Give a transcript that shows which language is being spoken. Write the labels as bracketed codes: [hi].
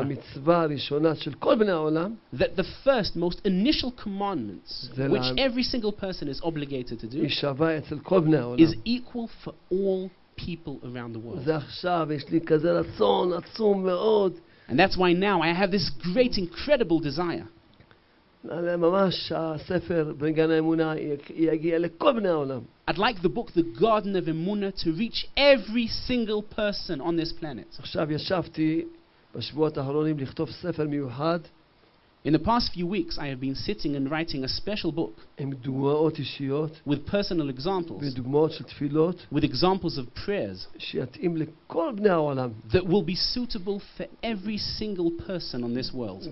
[he] שהמצווה הראשונה של כל בני העולם, [en] that the first most initial commandments which every single person is obligated to do, [he] היא שווה אצל כל בני העולם, [en] is equal for all people around the world. [he] זה עכשיו יש לי כזה רצון עצום מאוד, [en] and that's why now I have this great incredible desire, [he] ממש הספר בגן האמונה יגיע לכל בני העולם. [en] I'd like the book The Garden of Emunah to reach every single person on this planet. [he] עכשיו ישבתי בשבועות האחרונים לכתוב ספר מיוחד. [en] In the past few weeks I have been sitting and writing a special book. [he] עם דוגמאות אישיות. [en] With personal examples. [he] ודוגמאות של תפילות. [en] With examples of prayers. [he] שיתאים לכל בני העולם. [en] That will be suitable for every single person on this world.